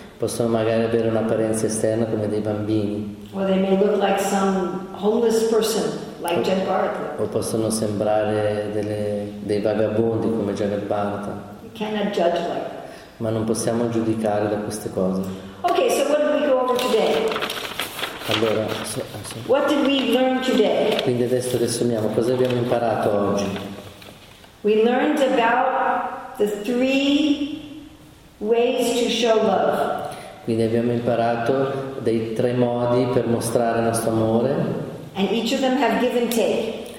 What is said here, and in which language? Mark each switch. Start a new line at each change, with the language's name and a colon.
Italian: Possono magari avere un'apparenza esterna come dei bambini.
English: Or they may look like some homeless person, like Jad Bharat.
Italian: O possono sembrare dei vagabondi come Jad Bharat.
English: You cannot judge like that.
Italian: Ma non possiamo giudicare da queste cose.
English: Okay, so what did we go over today?
Italian: Allora,
English: what did we learn today?
Italian: Quindi adesso riassumiamo. Cosa abbiamo imparato oggi?
English: We learned about the three ways to show love.
Italian: Quindi abbiamo imparato dei tre modi per mostrare il nostro amore.
English: And each of them have give and take.